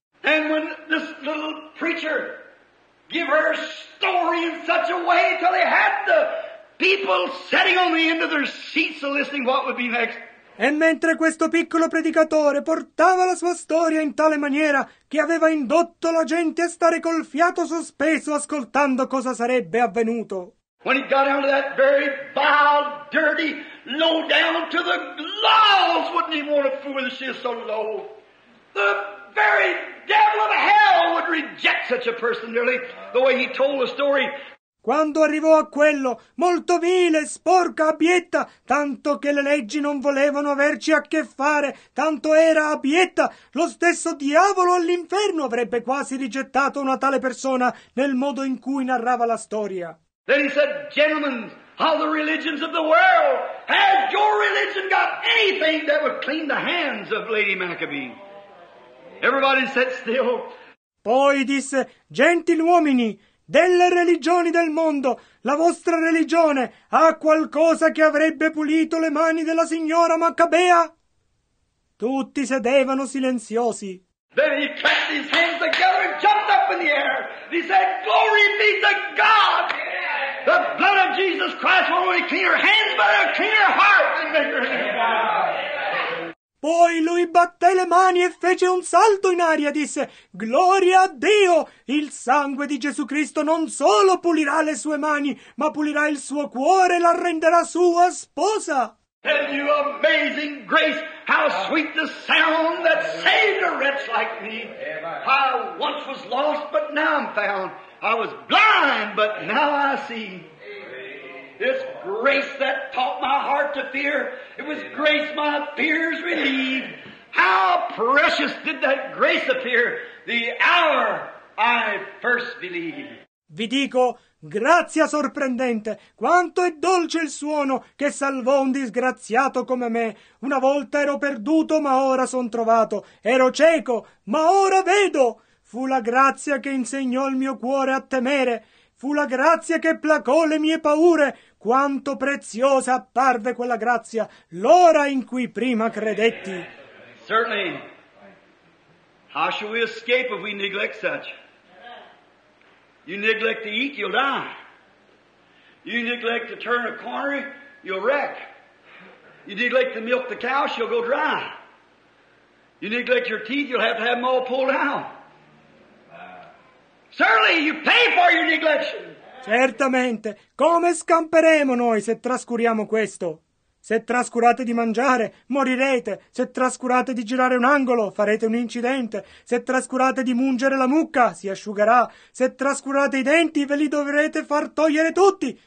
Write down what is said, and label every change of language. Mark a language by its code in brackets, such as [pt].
[en] And when this little preacher gave her story in such a way till they had the people sitting on the end of their seats listening what would be next. [it] E mentre questo piccolo predicatore portava la sua storia in tale maniera che aveva indotto la gente a stare col fiato sospeso ascoltando cosa sarebbe avvenuto. [en] When he got down to that very vile, dirty, low down to the laws, wouldn't even want to fool that she is so low. The very devil of hell would reject such a person nearly the way he told the story. [it] Quando arrivò a quello, molto vile, sporca, abietta, tanto che le leggi non volevano averci a che fare, tanto era abietta, lo stesso diavolo all'inferno avrebbe quasi rigettato una tale persona nel modo in cui narrava la storia. [en] Then he said, gentlemen, all the religions of the world, has your religion got anything that would clean the hands of Lady Maccabee? Everybody sat still. [it] Poi disse, gentiluomini, delle religioni del mondo, la vostra religione ha qualcosa che avrebbe pulito le mani della signora Maccabea? Tutti sedevano silenziosi. [en] Then he clapped his hands together and jumped up in the air. He said, glory be to God! The blood of Jesus Christ will only clean your hands, but it'll clean your heart and make your [it] Poi lui batté le mani e fece un salto in aria, disse, gloria a Dio, il sangue di Gesù Cristo non solo pulirà le sue mani, ma pulirà il suo cuore e la renderà sua sposa. [en] And you amazing grace, how sweet the sound that saved a wretch like me. I once was lost, but now I'm found. I was blind, but now I see. It's grace that taught my heart to fear. It was grace my fears relieved. How precious did that grace appear the hour I first believed. [it] Vi dico, grazia sorprendente, quanto è dolce il suono che salvò un disgraziato come me. Una volta ero perduto, ma ora son trovato. Ero cieco, ma ora vedo. fu la grazia che insegnò il mio cuore a temere, fu la grazia che placò le mie paure. Quanto preziosa apparve quella grazia l'ora in cui prima credetti. [en] Certainly. How shall we escape if we neglect such? You neglect to eat, you'll die. You neglect to turn a corner, you'll wreck. You neglect to milk the cow, she'll go dry. You neglect your teeth, you'll have to have them all pulled out. Certainly, you pay for your neglect. [it] Certamente. Come scamperemo noi se trascuriamo questo? Se trascurate di mangiare, morirete. Se trascurate di girare un angolo, farete un incidente. Se trascurate di mungere la mucca, si asciugherà. Se trascurate i denti, ve li dovrete far togliere tutti.